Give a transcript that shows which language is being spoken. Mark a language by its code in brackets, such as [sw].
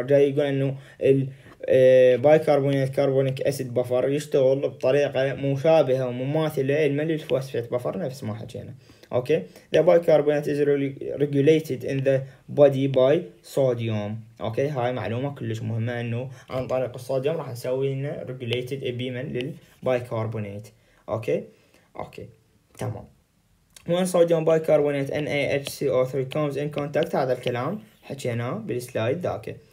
[ar] جاي يقول انه ال bicarbonate carbonic acid buffer يشتغل بطريقة مشابهة ومماثلة للملي الفوسفات buffer نفس ما حكينا. [en] Okay, the bicarbonate is regulated in the body by sodium. [ar] Okay, هاي معلومة كلش مهمة، إنه عن طريق الصوديوم راح نسوي لنا regulated abiman للبايكربونات. [en] Okay, تمام. When sodium bicarbonate NaHCO3 comes in contact، [ar] هذا الكلام حكيناه بالسلايد ذاك.